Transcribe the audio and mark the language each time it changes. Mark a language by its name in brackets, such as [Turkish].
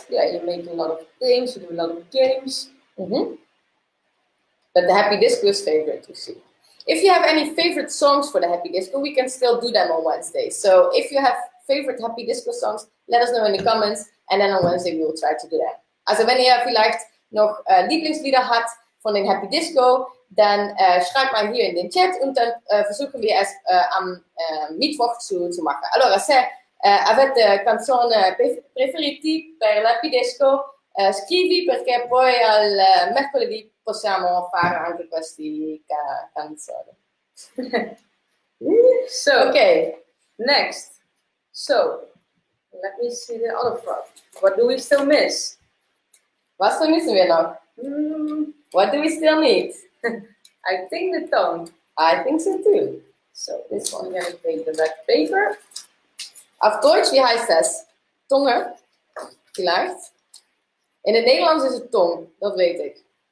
[English] Yeah, you make a lot of things, you do a lot of games. Mm-hmm. But the Happy Disco is favorite, you see. If you have any favorite songs for the Happy Disco, we can still do them on Wednesday. So if you have favorite Happy Disco songs, let us know in the comments, and then on Wednesday we will try to do that. [German] Also wenn ihr vielleicht noch Lieblingslieder hat von den Happy Disco, dann schreibt mal hier in den Chat und dann versuchen wir es am Mittwoch zu machen. [Italian] Allora, se avete canzone preferiti per l'Happy Disco, scrivi perché poi al mercoledì possiamo fare anche questi canzoni. [English] So, okay. Next. So, let me see the other part. What do we still miss? [German] Was müssen wir noch? [English] What do we still need? I think the tongue. I think so too. So this one, I'm gonna take the black paper. [German] Auf Deutsch, wie heißt das? [English] Tongue? [German] Vielleicht? [Dutch] In het Nederlands is het tong, dat weet ik.